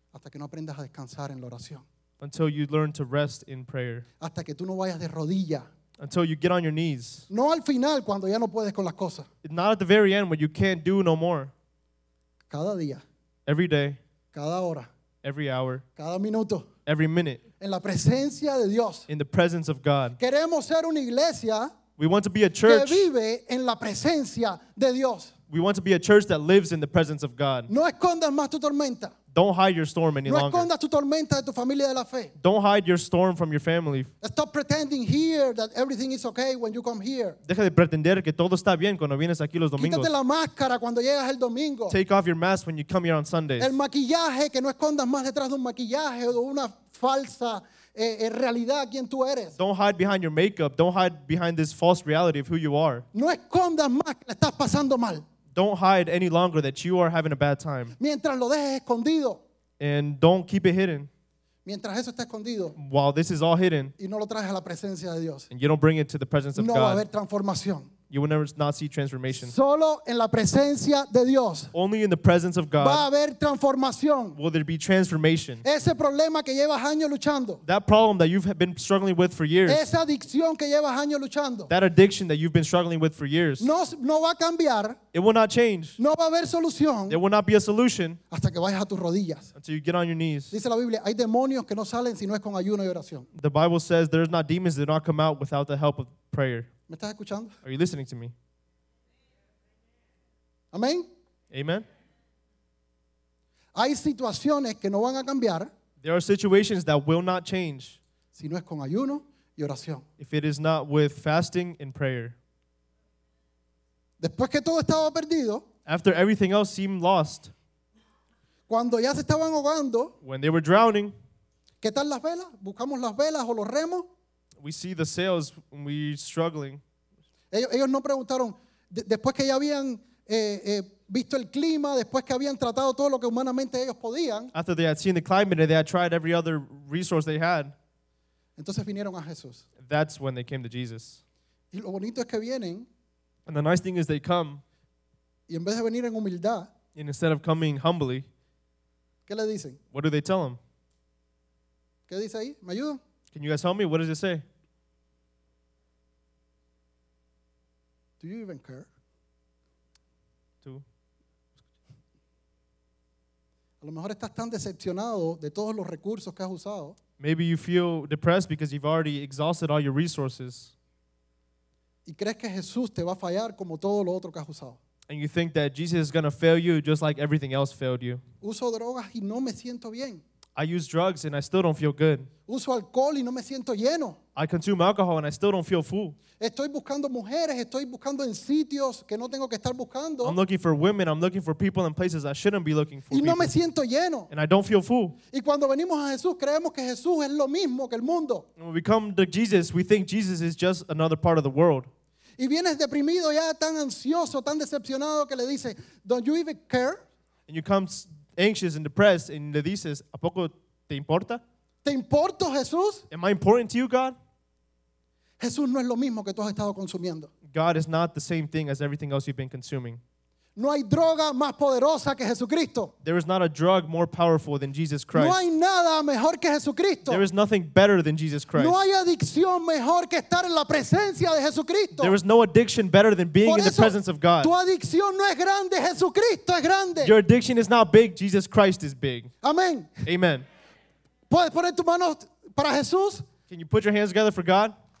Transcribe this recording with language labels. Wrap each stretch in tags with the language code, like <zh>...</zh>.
<es>Hasta que no aprendas a descansar en la oración.</es> <en>Until you learn to rest in prayer.</en> <es>Hasta que tú no vayas de rodilla.</es> <en>Until you get on your knees.</en> <es>No al final, cuando ya no puedes con las cosas.</es> <en>Not at the very end when you can't do no more.</en> <es>Cada día.</es> <en>Every day.</en> <es>Cada hora.</es> <en>Every hour.</en> <es>Cada minuto.</es> <en>Every minute.</en> <es>En la presencia de Dios.</es> <en>In the presence of God.</en> <es>Queremos ser una iglesia.</es> <en>We want to be a church.</en> <es>Que vive en la presencia de Dios.</es> <en>We want to be a church that lives in the presence of God.</en> <es>No escondas más tu tormenta.</es> <en>Don't hide your storm any no longer.</en> <es>Escondas tu tormenta de tu familia de la fe.</es> <en>Don't hide your storm from your family. Stop pretending here that everything is okay when you come here.</en> <es>Deja de pretender que todo está bien cuando vienes aquí los domingos. Quítate la máscara cuando llegas el domingo.</es> <en>Take off your mask when you come here on Sundays.</en> <es>El maquillaje, que no escondas más detrás de un maquillaje o una falsa realidad quien tú eres.</es> <en>Don't hide behind your makeup. Don't hide behind this false reality of who you are.</en> <es>No escondas más que le estás pasando mal.</es> <en>Don't hide any longer that you are having a bad time.</en> <es>Mientras lo dejes escondido.</es> <en>And don't keep it hidden.</en> <es>Mientras eso está escondido.</es> <en>While this is all hidden.</en> <es>Y no lo traes a la presencia de Dios.</es> <en>And you don't bring it to the presence of no God.</en> <es>No va a haber transformación.</es> <en>You will never not see transformation.</en> <es>Solo en la presencia de Dios.</es> <en>Only in the presence of God.</en> <es>Va a haber transformación.</es> <en>Will there be transformation?</en> <es>Ese problema que llevas años luchando.</es> <en>That problem that you've been struggling with for years.</en> <es>Esa adicción que llevas años luchando.</es> <en>That addiction that you've been struggling with for years.</en> <es>No va a cambiar.</es> <en>It will not change.</en> <es>No va a haber solución.</es> <en>There will not be a solution.</en> <es>Hasta que vayas a tus rodillas.</es> <en>Until you get on your knees.</en> <es>Dice la Biblia, hay demonios que no salen si no es con ayuno y oración.</es> <en>The Bible says there's not demons that do not come out without the help of prayer.</en> <es>¿Me estás escuchando?</es> <en>Are you listening to me?</en> <es>Amén.</es> <en>Amen.</en> <es>Hay situaciones que no van a cambiar.</es> <en>There are situations that will not change.</en> <es>Si no es con ayuno y oración.</es> <en>If it is not with fasting and prayer.</en> <es>Después que todo estaba perdido.</es> <en>After everything else seemed lost.</en> <es>Cuando ya se estaban ahogando.</es> <en>When they were drowning.</en> <es>¿Qué tal las velas? ¿Buscamos las velas o los remos?</es> <en>We see the sails and we're struggling.</en> <es>Ellos no preguntaron después que ya habían visto el clima, después que habían tratado todo lo que humanamente ellos podían.</es> <en>After they had seen the climate and they had tried every other resource they had.</en> <es>Entonces vinieron a Jesús.</es> <en>That's when they came to Jesus.</en> <es>Y lo bonito es que vienen.</es> <en>And the nice thing is they come.</en> <es>Y en vez de venir en humildad.</es> <en>And instead of coming humbly.</en> <es>¿Qué le dicen?</es> <en>What do they tell him?</en> <es>¿Qué dice ahí? ¿Me ayudan?</es> <en>Can you guys help me? What does it say? Do you even care?</en> <es>Tú. A lo mejor estás tan decepcionado de todos los recursos que has usado.</es> <en>Maybe you feel depressed because you've already exhausted all your resources. And you think that Jesus is going to fail you just like everything else failed you.</en> <es>Uso drogas y no me siento bien.</es> <en>I use drugs and I still don't feel good.</en> <es>Uso alcohol y no me siento lleno.</es> <en>I consume alcohol and I still don't feel full.</en> <es>Estoy buscando mujeres, estoy buscando en sitios que no tengo que estar buscando.</es> <en>I'm looking for women, I'm looking for people in places I shouldn't be looking for.</en> <es>Y no me siento lleno.</es> <en>And I don't feel full.</en> <es>Y cuando venimos a Jesús, creemos que Jesús es lo mismo que el mundo.</es> <en>And when we come to Jesus, we think Jesus is just another part of the world.</en> <es>Y vienes deprimido ya, tan ansioso, tan decepcionado que le dice,</es> <en>"Don't you even care?" And you come anxious and depressed and</en> <es>le dices, "¿A poco te importa? ¿Te importo, Jesús?</es> <en>Am I important to you, God?"</en> <es>Jesús no es lo mismo que tú has estado consumiendo.</es> <en>God is not the same thing as everything else you've been consuming.</en> <es>No hay droga más poderosa que Jesucristo.</es> <en>There is not a drug more powerful than Jesus Christ.</en> <es>No hay nada mejor que Jesucristo.</es> <en>There is nothing better than Jesus Christ.</en> <es>No hay adicción mejor que estar en la presencia de Jesucristo.</es> <en>There is no addiction better than being</en> <es>eso,</es> <en>in the presence of God.</en> <es>Tu adicción no es grande, Jesucristo es grande.</es> <en>Your addiction is not big, Jesus Christ is big.</en> <es>Amén.</es> <en>Amen.</en> <es>¿Puedes poner tus manos para Jesús?</es> <en>Can you put your hands together for God?</en>